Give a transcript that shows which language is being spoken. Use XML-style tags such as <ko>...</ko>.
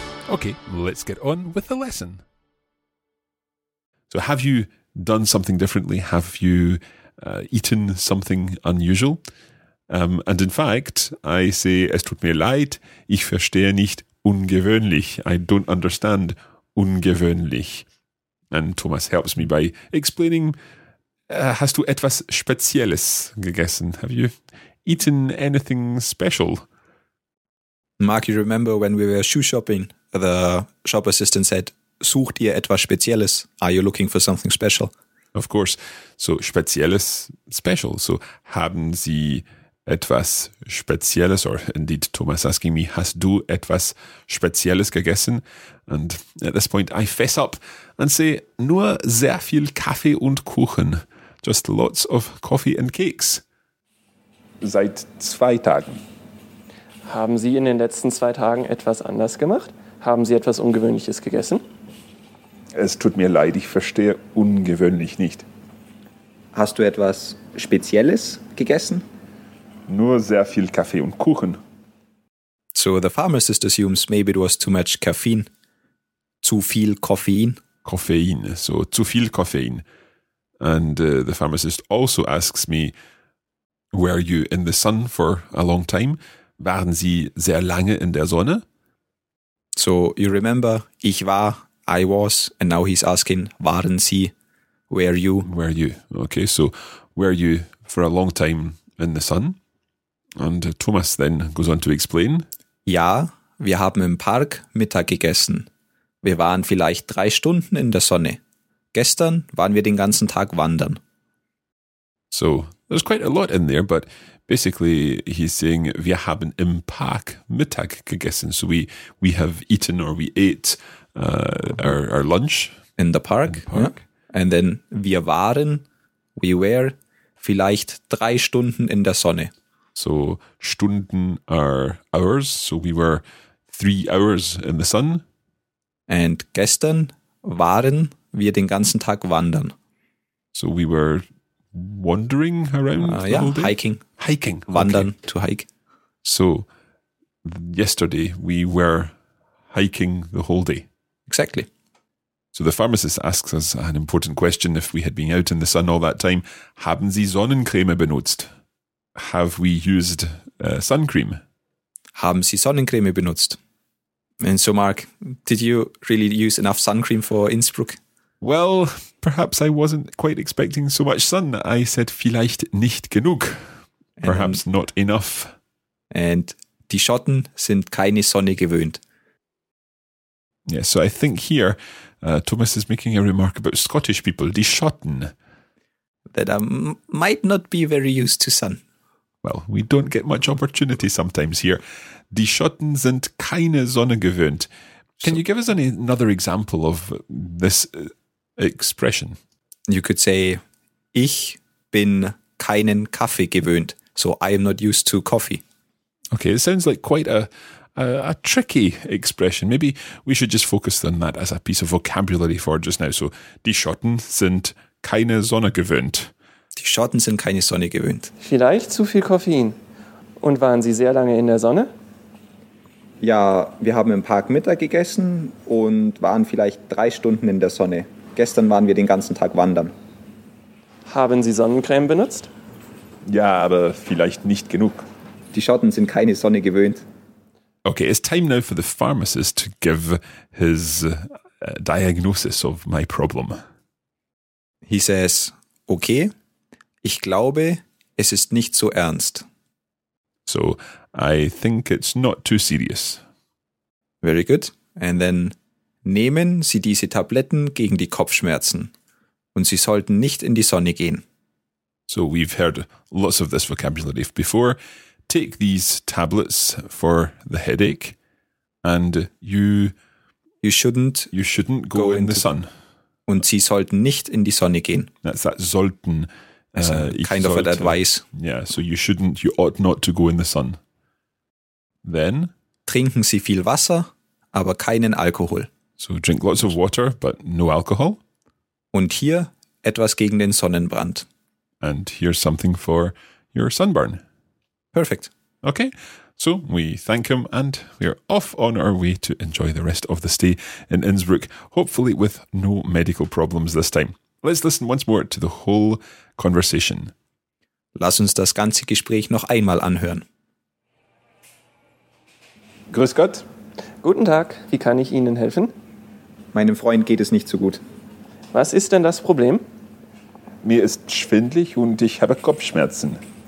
<en>Okay, let's get on with the lesson. So have you done something differently? Have you eaten something unusual? And in fact, I say,</en> <de>es tut mir leid, ich verstehe nicht ungewöhnlich.</de> <en>I don't understand ungewöhnlich. And Thomas helps me by explaining,</en> <de>hast du etwas Spezielles gegessen?</de> <en>Have you eaten anything special? Mark, you remember when we were shoe shopping, the shop assistant said,</en> <de>sucht ihr etwas Spezielles?</de> <en>Are you looking for something special? Of course. So, Spezielles, special.</en> <de>So, haben Sie etwas Spezielles?</de> <en>Or indeed, Thomas asking me,</en> <de>hast du etwas Spezielles gegessen?</de> <en>And at this point, I fess up and say,</en> <de>nur sehr viel Kaffee und Kuchen.</de> <en>Just lots of coffee and cakes.</en> <de>Seit 2 Tagen. Haben Sie in den letzten 2 Tagen etwas anders gemacht? Haben Sie etwas Ungewöhnliches gegessen? Es tut mir leid, ich verstehe ungewöhnlich nicht. Hast du etwas Spezielles gegessen? Nur sehr viel Kaffee und Kuchen.</de> <en>So the pharmacist assumes maybe it was too much caffeine.</en> <de>Zu viel Koffein. Koffein, so zu viel Koffein.</de> <en>And the pharmacist also asks me, were you in the sun for a long time?</en> <de>Waren Sie sehr lange in der Sonne?</de> <en>So you remember,</en> <de>ich war</de> <en>I was, and now he's asking,</en> <de>waren Sie,</de> <en>were you? Were you? Okay, so were you for a long time in the sun? And Thomas then goes on to explain.</en> <de>Ja, wir haben im Park Mittag gegessen. Wir waren vielleicht 3 Stunden in der Sonne. Gestern waren wir den ganzen Tag wandern.</de> <en>So, there's quite a lot in there, but basically he's saying</en> <de>wir haben im Park Mittag gegessen.</de> <en>So we have eaten or we ate our lunch. In the park. In the park. Yeah. And then we were</en> <de>vielleicht 3 Stunden in der Sonne.</de> <en>So Stunden are hours. So we were 3 hours in the sun.</en> <de>And gestern waren wir den ganzen Tag wandern.</de> <en>So we were wandering around the yeah, whole day? Hiking. Hiking. Wandern, okay. To hike. So yesterday we were hiking the whole day. Exactly. So the pharmacist asks us an important question. If we had been out in the sun all that time,</en> <de>haben Sie Sonnencreme benutzt?</de> <en>Have we used sun cream?</en> <de>Haben Sie Sonnencreme benutzt?</de> <en>And so, Mark, did you really use enough sun cream for Innsbruck? Well, perhaps I wasn't quite expecting so much sun. I said</en> <de>vielleicht nicht genug.</de> <en>Perhaps and, not enough.</en> <de>And die Schotten sind keine Sonne gewöhnt.</de> <en>Yeah, so I think here Thomas is making a remark about Scottish people, die Schotten. That might not be very used to sun. Well, we don't get much opportunity sometimes here.</en> <de>Die Schotten sind keine Sonne gewöhnt.</de> <en>Can you give us another example of this expression? You could say,</en> <de>ich bin keinen Kaffee gewöhnt.</de> <en>So I am not used to coffee. Okay, it sounds like quite a tricky expression. Maybe we should just focus on that as a piece of vocabulary for just now. So</en> <de>die Schotten sind keine Sonne gewöhnt. Die Schotten sind keine Sonne gewöhnt. Vielleicht zu viel Koffein. Und waren Sie sehr lange in der Sonne? Ja, wir haben im Park Mittag gegessen und waren vielleicht 3 Stunden in der Sonne. Gestern waren wir den ganzen Tag wandern. Haben Sie Sonnencreme benutzt? Ja, aber vielleicht nicht genug. Die Schotten sind keine Sonne gewöhnt.</de> <en>Okay, it's time now for the pharmacist to give his diagnosis of my problem. He says, okay,</en> <de>ich glaube, es ist nicht so ernst.</de> <en>So, I think it's not too serious. Very good. And then,</en> <de>nehmen Sie diese Tabletten gegen die Kopfschmerzen und Sie sollten nicht in die Sonne gehen.</de> <en>So, we've heard lots of this vocabulary before. Take these tablets for the headache and you shouldn't go in the sun.</en> <de>Und Sie sollten nicht in die Sonne gehen.</de> <en>That's that sollten. Kind of an advice. Yeah, so you ought not to go in the sun. Then?</en> <de>Trinken Sie viel Wasser, aber keinen Alkohol.</de> <en>So drink lots of water, but no alcohol.</en> <de>Und hier etwas gegen den Sonnenbrand.</de> <en>And here's something for your sunburn. Perfect. Okay, so we thank him and we're off on our way to enjoy the rest of the stay in Innsbruck, hopefully with no medical problems this time. Let's listen once more to the whole conversation.</en> <de>Lass uns das ganze Gespräch noch einmal anhören. Grüß Gott. Guten Tag, wie kann ich Ihnen helfen? Meinem Freund geht es nicht so gut. Was ist denn das Problem? Mir ist schwindelig und ich habe Kopfschmerzen.</de>